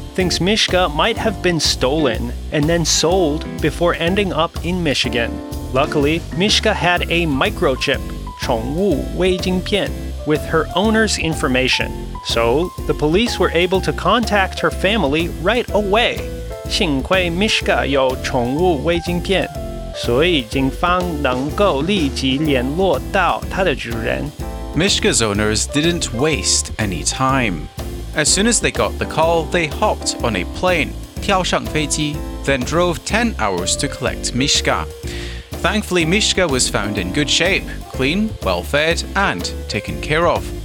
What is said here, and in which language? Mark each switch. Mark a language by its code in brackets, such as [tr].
[en] thinks Mishka might have been stolen and then sold before ending up in Michigan. Luckily, Mishka had a microchip, [zh] 宠物微晶片, [en] with her owner's information. So, the police were able to contact her family right away. [zh] 幸亏 Mishka 有宠物微晶片，所以警方能够立即联络到他的主人。 [en] Mishka's owners didn't waste any time. As soon as they got the call, they hopped on a plane, [zh] 跳上飞机, [en] then drove 10 hours to collect Mishka. Thankfully, Mishka was found in good shape, clean, well-fed, and taken care of.